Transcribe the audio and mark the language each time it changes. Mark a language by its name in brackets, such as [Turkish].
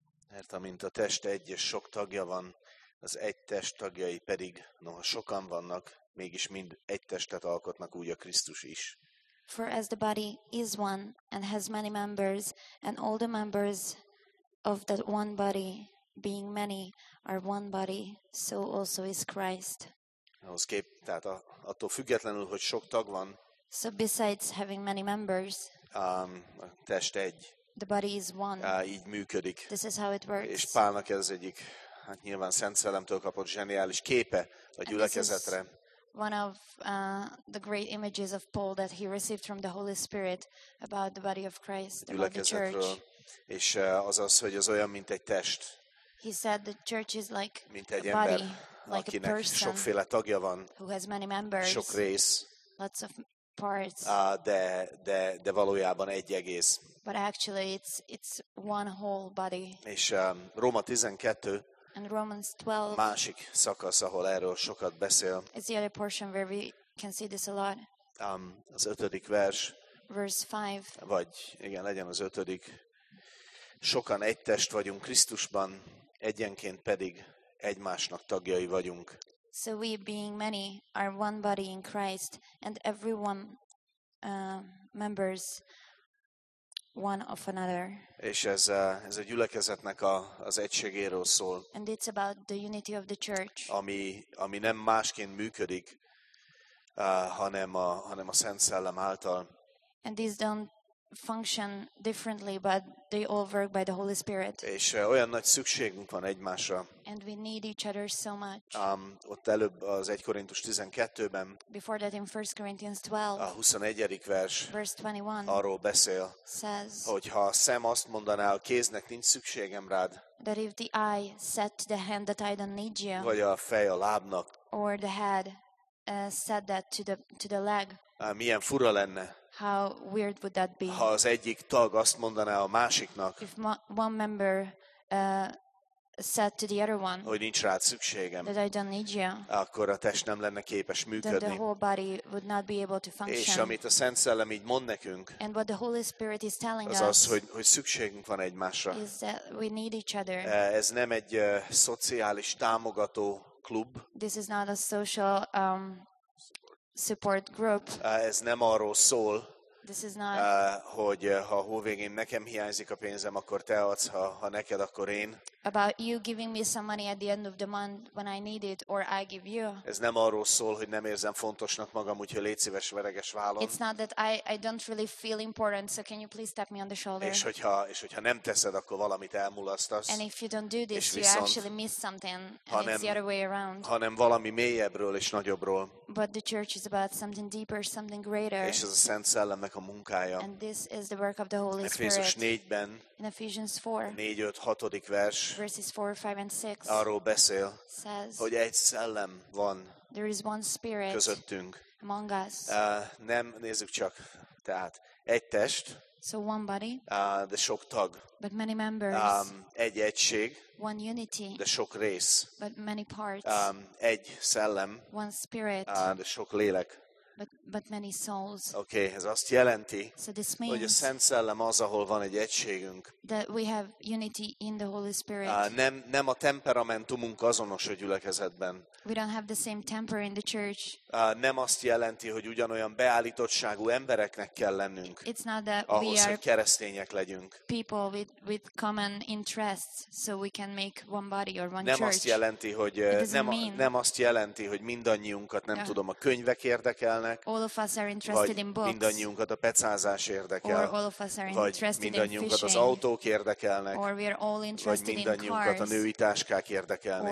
[Hungarian] Mert amint a test egy és sok tagja van, az egy test tagjai pedig, noha sokan vannak, mégis mind egy testet alkotnak, úgy a Krisztus is. [English] For as the body is one and has many members, and all the members of that one body, being many, are one body, so also is Christ. [Hungarian] Tehát attól függetlenül, hogy sok tag van, [English] so besides having many members, [Hungarian] a test egy. [English] The body is one. [Hungarian] Így működik. [English] This is how it works. [Hungarian] És Pálnak ez egyik, hát nyilván Szent Szellemtől kapott zseniális képe a gyülekezetre. [English] One of the great images of Paul that he received from the Holy Spirit about the body of Christ, about the church. [Hungarian] És az, hogy az olyan, mint egy test. [English] He said the church is like [Hungarian] mint egy [English] a body, [Hungarian] ember, [English] like [Hungarian] akinek [English] a person, [Hungarian] sokféle tagja van, [English] who has many members, [Hungarian] sok rész, [English] lots of parts. [Hungarian] De valójában egy egész. [English] But actually it's one whole body. [Hungarian] És Róma 12. [English] And Romans 12. [Hungarian] Másik szakasz, ahol erről sokat beszél. [English] It's the other portion where we can see this a lot. [Hungarian] Az ötödik vers. [English] Verse 5. [Hungarian] Vagy igen, legyen az ötödik. Sokan egy test vagyunk Krisztusban, egyenként pedig egymásnak tagjai vagyunk. [English] So we being many are one body in Christ, and everyone members one of another. [Hungarian] És ez a gyülekezetnek az egységéről szól. [English] And it's about the unity of the church. [Hungarian] Ami nem másként működik, hanem a Szent Szellem által. [English] And these don't function differently, but they all work by the Holy Spirit. [Hungarian] És olyan nagy szükségünk van egymásra. [English] And we need each other so much. [Hungarian] Ott előbb az 1 Korintus 12-ben. [English] Before that in 1 Corinthians 12. [Hungarian] A 21. vers. [English] Verse 21. [Hungarian] Arról beszél. [English] Says. [Hungarian] Hogy ha a szem azt mondaná, a kéznek nincs szükségem rád. [English] That if the eye said to the hand that I don't need you. [Hungarian] Vagy a fej a lábnak, [English] or the head said that to the leg. [Hungarian] Milyen fura lenne. [English] How weird would that be? [Hungarian] Ha az egyik tag azt mondaná a másiknak. [English] If one member said to the other one. [Hungarian] Hogy nincs rád szükségem. [English] That I don't need you. [Hungarian] Akkor a test nem lenne képes működni. [English] Then the whole body would not be able to function. [Hungarian] És amit a Szent Szellem így mond nekünk. [English] And what the Holy Spirit is telling us. [Hungarian] Az, hogy szükségünk van egymásra. [English] Is that we need each other. [Hungarian] Ez nem egy szociális támogató klub. [English] This is not a social support group. [Hungarian] Ez nem arról szól. [English] This is not [Hungarian] hogy ha a hóvégén nekem hiányzik a pénzem, akkor te adsz, ha neked, akkor én. [English] About you giving me some money at the end of the month when I need it or I give you. [Hungarian] Ez nem arról szól, hogy nem érzem fontosnak magam, úgyhogy légy szíves, vereges vállon. [English] It's not that I don't really feel important, so can you please tap me on the shoulder? [Hungarian] És hogyha nem teszed, akkor valamit elmulasztasz. [English] And if you don't do this, you actually miss something. And it's the other way around. [Hungarian] Hanem valami mélyebbről és nagyobbról. [English] But the church is about something deeper, something greater. [Hungarian] És ez a Szent Szellemnek a munkája. [English] And this is the work of the Holy Spirit. [Hungarian] Efézus 4-ben. [English] In Ephesians 4. [Hungarian] 4-5. Vers. [English] Verses 4, 5, and 6. [Hungarian] Arról beszél, [English] says, [Hungarian] hogy egy szellem van. [English] There is one spirit [Hungarian] közöttünk. [English] Among us. [Hungarian] Nem nézzük csak, tehát egy test. [English] So one body. [Hungarian] De sok tag. [English] But many members. [Hungarian] Egy egység. [English] One unity. [Hungarian] De sok rész. [English] But many parts. [Hungarian] Egy szellem. [English] One spirit. [Hungarian] De sok lélek. [English] But many souls. [Hungarian] Okay, ez azt jelenti, [English] so this means, [Hungarian] hogy a Szent Szellem az, ahol van egy egységünk. [English] That we have unity in the Holy Spirit. [Hungarian] Nem a temperamentumunk azonos a gyülekezetben. [English] We don't have the same temper in the church. [Hungarian] Nem azt jelenti, hogy ugyanolyan beállítottságú embereknek kell lennünk. [English] It's not that [Hungarian] ahhoz, [English] we are [Hungarian] keresztények legyünk. [English] People with common interests, so we can make one body or one church. [Hungarian] Nem azt jelenti, hogy nem azt jelenti, hogy mindannyiunkat nem tudom a könyvek érdekel. [English] All of us are interested in books. [Hungarian] Mindannyiunkat a pecázás érdekel. [English] Or all of us are interested in fishing. [Hungarian] Az autók érdekelnek. [English] Or we are all interested in cars. [Hungarian] Mindannyiunkat a női táskák érdekelnek.